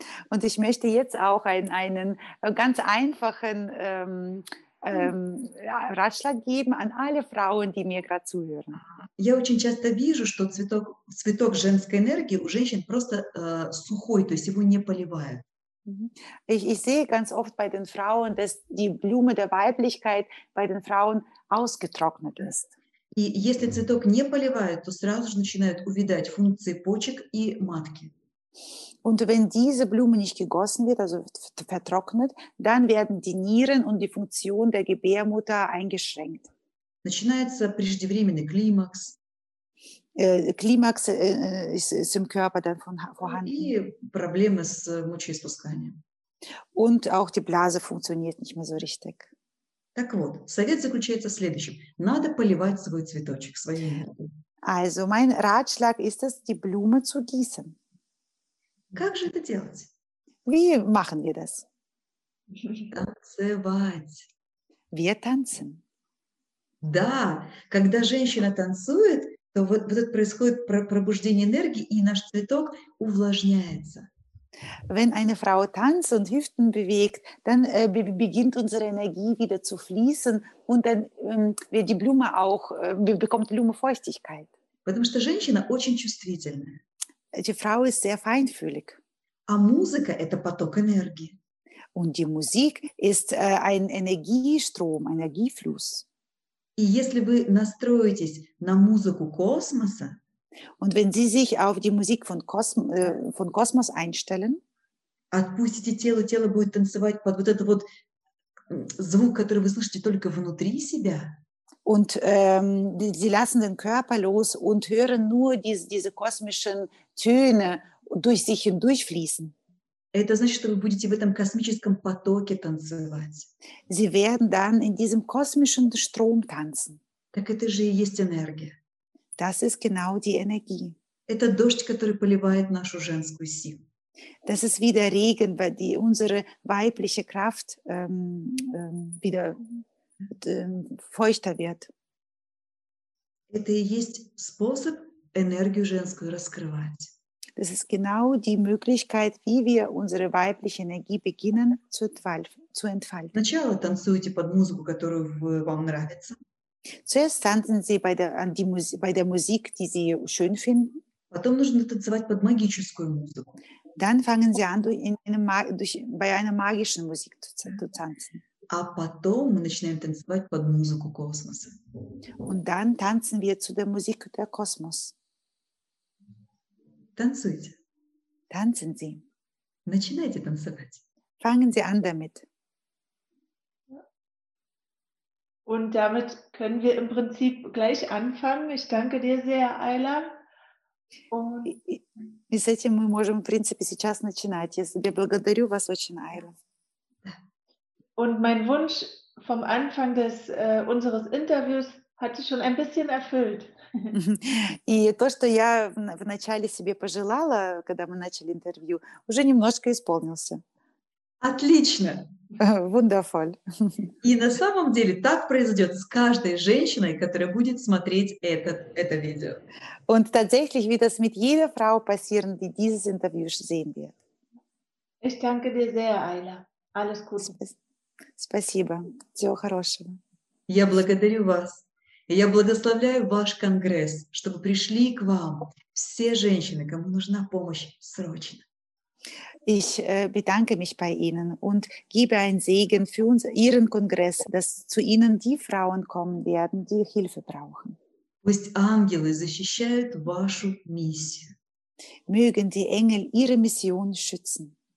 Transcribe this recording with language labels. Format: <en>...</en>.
<de>Und ich möchte jetzt auch einen ganz einfachen Ratschlag geben an alle Frauen, die mir gerade zuhören.</de> <ru>Я очень часто вижу, что цветок женской энергии у женщин просто сухой, то есть его не поливают.</ru> <de>Ich sehe ganz oft bei den Frauen, dass die Blume der Weiblichkeit bei den Frauen ausgetrocknet ist.</de> <ru>И если цветок не поливают, то сразу же начинают увидать функции почек и матки.</ru> <de>Und wenn diese Blume nicht gegossen wird, also vertrocknet, dann werden die Nieren und die Funktion der Gebärmutter eingeschränkt.</de> <ru>Начинается преждевременный климакс.</ru> <de>Климакс ist im Körper dann vorhanden.</de> <ru>И проблемы с мочеиспусканием.</ru> <de>Und auch die Blase funktioniert nicht mehr so richtig.</de> <ru>Так вот, совет заключается в следующем. Надо поливать свой цветочек, свою энергию.</ru> <de>Also mein Ratschlag ist es, die Blume zu gießen.</de> <ru>Как же это делать?</ru> <de>Wie machen wir das?</de> <ru>Танцевать.</ru> <de>Wir tanzen.</de> <ru>Да, когда женщина танцует, то вот происходит пробуждение энергии, и наш цветок увлажняется.</ru> <de>Wenn eine Frau tanzt und Hüften bewegt, dann beginnt unsere Energie wieder zu fließen und dann wird die Blume auch bekommt Blume Feuchtigkeit.</de> <ru>Потому что женщина очень чувствительная.</ru> <de>Die Frau ist sehr feinfühlig.</de> <ru>А музыка – это поток энергии.</ru> <de>Und die Musik ist ein Energiestrom, Energiefluss.</de> <ru>И если вы настроитесь на музыку космоса,</ru> <de>und wenn Sie sich auf die Musik von Kosmos einstellen,</de> <ru>отпустите тело, тело будет танцевать под вот этот вот звук, который вы слышите только внутри себя.</ru> <de>Und Sie lassen den Körper los und hören nur diese kosmischen Töne durch sich hindurch fließen.</de> <ru>Это значит, что вы будете в этом космическом потоке танцевать.</ru> <de>Sie werden dann in diesem kosmischen Strom tanzen.</de> <ru>Так это же и есть энергия.</ru> <de>Das ist genau die Energie.</de> <ru>Это дождь, который поливает нашу женскую силу.</ru> <de>Das ist wie der Regen, die unsere weibliche Kraft wieder feuchter wird.</de> <ru>Это и есть способ энергию женскую раскрывать.</ru> <de>Das ist genau die Möglichkeit, wie wir unsere weibliche Energie beginnen zu entfalten.</de> <ru>Сначала танцуйте под музыку, которую вам нравится.</ru> <de>Zuerst tanzen Sie bei der Musik, die Sie schön finden.</de> <ru>Потом нужно танцевать под магическую музыку.</ru> <de>Dann fangen Sie an, bei einer magischen Musik zu tanzen.</de> <ru>А потом мы начинаем танцевать под музыку космоса.</ru> <de>Und dann tanzen wir zu der Musik der Kosmos.</de> <ru>Танцуйте.</ru> <de>Tanzen Sie.</de> <ru>Начинайте танцевать.</ru> <de>Fangen Sie an damit. Und damit können wir im Prinzip gleich anfangen. Ich danke dir sehr, Ayla.</de> <ru>И с этим мы можем, в принципе, сейчас начинать. Я благодарю вас очень, Айра.</ru> <de>Und mein Wunsch vom Anfang des unseres Interviews hat sich schon ein bisschen erfüllt.</de> <ru>И то, что я вначале себе пожелала, когда мы начали интервью, уже немножко исполнился. Отлично.</ru> <de>Wundervoll.</de> <ru>И на самом деле так произойдет с каждой женщиной, которая будет смотреть это видео.</ru> <de>Und tatsächlich wird das mit jeder Frau passieren, die dieses Interview sehen wird. Ich danke dir sehr, Ayla. Alles Gute.</de> <ru>Спасибо. Всего хорошего. Я благодарю вас. Я благословляю ваш конгресс, чтобы пришли к вам все женщины, кому нужна помощь срочно.</ru> <de>Ich bedanke mich bei Ihnen und gebe einen Segen für Ihren Kongress, dass zu Ihnen die Frauen kommen werden, die Hilfe brauchen.</de> <ru>Пусть ангелы защищают вашу миссию.</ru> <de>Mögen die Engel ihre Mission schützen.</de>